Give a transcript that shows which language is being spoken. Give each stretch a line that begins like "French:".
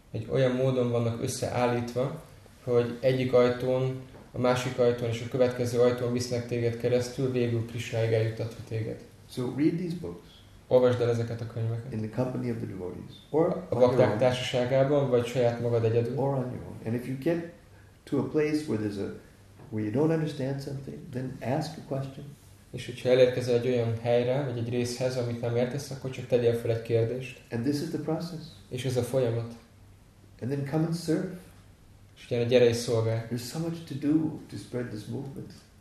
Hungarian: Egy olyan módon vannak összeállítva, hogy egyik ajtón, a másik ajtón és a következő ajtón visznek téged keresztül, végül Krishnáig eljuttatva téged.
English: So read these books.
Hungarian: Olvasd el ezeket a könyveket.
English: In the company of the devotees,
Hungarian: or a bakták társaságában, vagy saját magad egyedül.
English: Or on your own. And if you get to a place where there's a where you don't understand something, then ask a question.
Hungarian: És hogyha elérkezel egy olyan helyre, vagy egy részhez, amit nem értesz, akkor csak tegyél fel egy kérdést.
English: And this is the process.
Hungarian: És ez a folyamat.
English: And then come and serve.
Hungarian: És ugyan, gyere és szolgálj.
English: There's so much to do to spread this movement.